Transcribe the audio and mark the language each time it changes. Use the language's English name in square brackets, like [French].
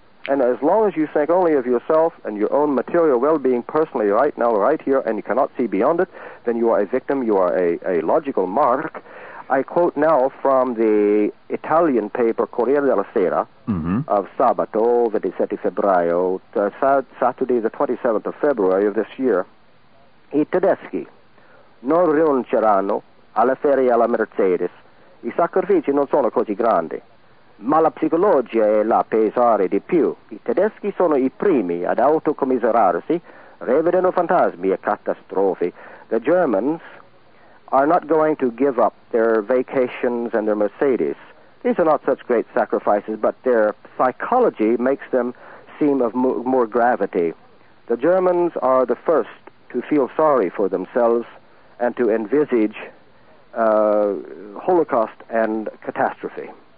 [English] And as long as you think only of yourself and your own material well-being personally right now, right here, and you cannot see beyond it, then you are a victim. You are a logical mark. I quote now from the Italian paper Corriere della Sera of [Italian] Sabato, 27 febbraio, [English] Saturday, the 27th of February of this year. [Italian] I tedeschi non rinunceranno alle ferie alla Mercedes. I sacrifici non sono così grandi. Ma la psicologia è la pesare di più. I tedeschi sono i primi ad autocommiserarsi, rivedono fantasmi e catastrofi. [English] The Germans are not going to give up their vacations and their Mercedes. These are not such great sacrifices, but their psychology makes them seem of more gravity. The Germans are the first to feel sorry for themselves and to envisage Holocaust and catastrophe.